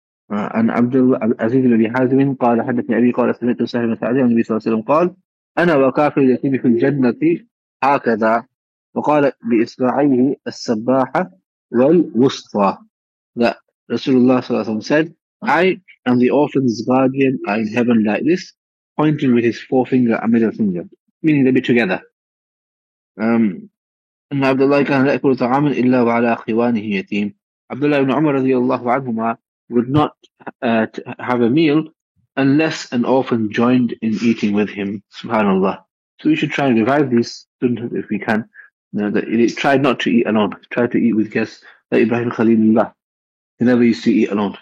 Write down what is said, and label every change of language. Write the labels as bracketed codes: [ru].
[ar] And Abdul Aziz ibn Hazim قال حدثني أبي قال سمعت سهل بن سعد عن النبي صلى الله عليه وسلم قال أنا وكافر يتيم في الجنة هكذا. وقال بإصبعيه السباحة والوسطى. [en] That Rasulullah صلى الله عليه وسلم said, I am the orphan's guardian in heaven like this, pointing with his forefinger and middle finger, meaning they'll be together. [ar] إن عبد الله كان لا يأكل طعاما إلا وعلى خوانه يتيم. [en] Abdullah ibn Umar رضي الله عنهما would not have a meal unless an orphan joined in eating with him. Subhanallah. So we should try and revive these students if we can. No, that he tried not to eat alone. He tried to eat with guests. Like Ibrahim Khalilullah, he never used to eat alone.